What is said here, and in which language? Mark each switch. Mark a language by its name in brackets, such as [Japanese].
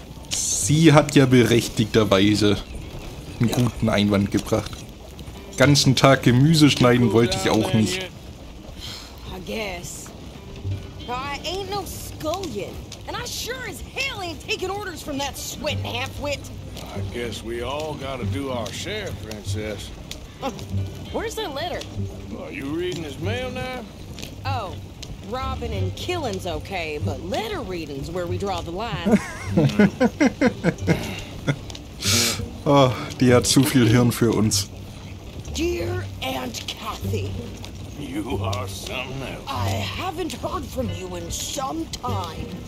[German] Sie hat ja berechtigterweise einen guten Einwand gebracht. Ganzen Tag Gemüse schneiden wollte ich auch nicht. [English] I guess. I ain't no scullion. And I sure as hell ain't taking orders from that sweating halfwit. I guess we all gotta do our share, Princess. Where's that letter? Are you reading his mail now? Oh, robbing and killing's okay, but letter reading's where we draw the line. [German] Oh, die hat zu viel Hirn für uns. [English] Dear Aunt Kathy. You are something else. I haven't heard from you in some time.